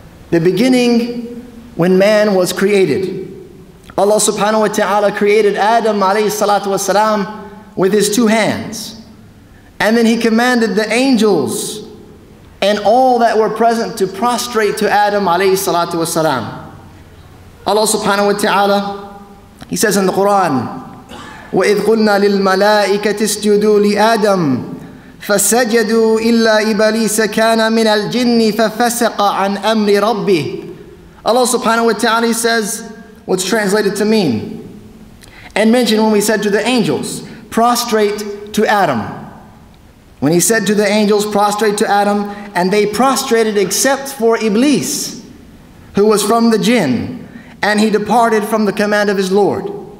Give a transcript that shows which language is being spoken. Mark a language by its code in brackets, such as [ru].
[en] The beginning when man was created. Allah subhanahu wa ta'ala created Adam alayhi salatu wa salam with his two hands. And then he commanded the angels and all that were present to prostrate to Adam alayhi salatu wasalam. Allah subhanahu wa ta'ala, he says in the Quran, [ar] وَإِذْ قُلْنَا لِلْمَلَائِكَةِ اسْجُدُوا لِآدَمِ فَسَجَدُوا إِلَّا إِبَلِيسَ كَانَ مِنَ الْجِنِّ فَفَسَقَ عَنْ أَمْرِ رَبِّهِ. [en] Allah subhanahu wa ta'ala, he says, what's translated to mean, and mentioned when we said to the angels, prostrate to Adam. When he said to the angels, prostrate to Adam, and they prostrated except for Iblis, who was from the jinn, and he departed from the command of his Lord.